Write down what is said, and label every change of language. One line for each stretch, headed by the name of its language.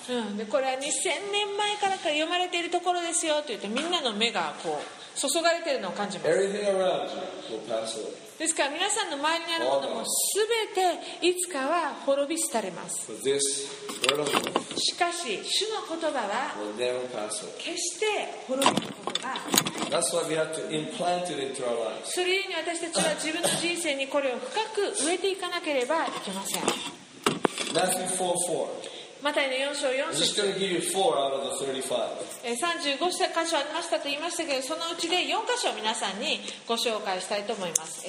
Japanese: うん、でこれは2000年前からか読まれているところですよと言ってみんなの目がこう注がれているのを感じます。
English: Everything around you will pass away.
Japanese: ですから皆さんの周りにあるものもすべていつかは滅び廃れます。
English: But this word of God.
Japanese: しかし主の言葉は決して滅びることがない。
English: That's why we have to implant it into our lives.
Japanese: それゆえに私たちは自分の人生にこれを深く植えていかなければいけません。
English: Matthew 4:4.
Japanese: マタイの4章4節。
English: I'm just going to give you four out of the 35.
Japanese: 35箇所ありましたと言いましたけど、そのうちで4箇所を皆さんにご紹介したいと思います。